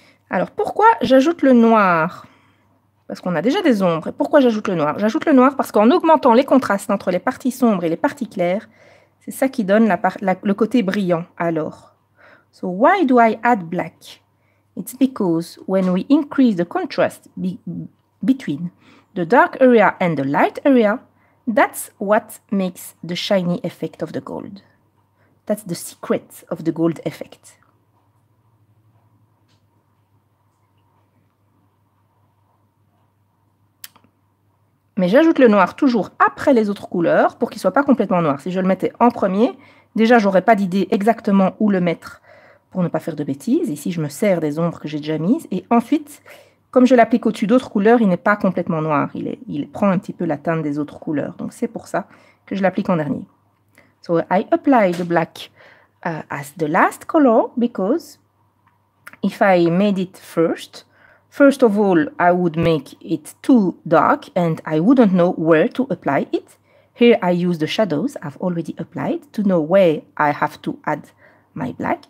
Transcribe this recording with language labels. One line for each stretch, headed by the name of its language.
French: Alors, pourquoi j'ajoute le noir? Parce qu'on a déjà des ombres. Et pourquoi j'ajoute le noir? J'ajoute le noir parce qu'en augmentant les contrastes entre les parties sombres et les parties claires, c'est ça qui donne le côté brillant, alors.
English: So, why do I add black? It's because when we increase the contrast between the dark area and the light area, that's what makes the shiny effect of the gold. That's the secret of the gold effect.
French: Mais j'ajoute le noir toujours après les autres couleurs pour qu'il ne soit pas complètement noir. Si je le mettais en premier, déjà, je n'aurais pas d'idée exactement où le mettre pour ne pas faire de bêtises. Ici, je me sers des ombres que j'ai déjà mises. Et ensuite, comme je l'applique au-dessus d'autres couleurs, il n'est pas complètement noir. Il prend un petit peu la teinte des autres couleurs. Donc, c'est pour ça que je l'applique en dernier.
English: So, I apply the black as the last color because if I made it first... First of all, I would make it too dark and I wouldn't know where to apply it. Here I use the shadows I've already applied to know where I have to add my black.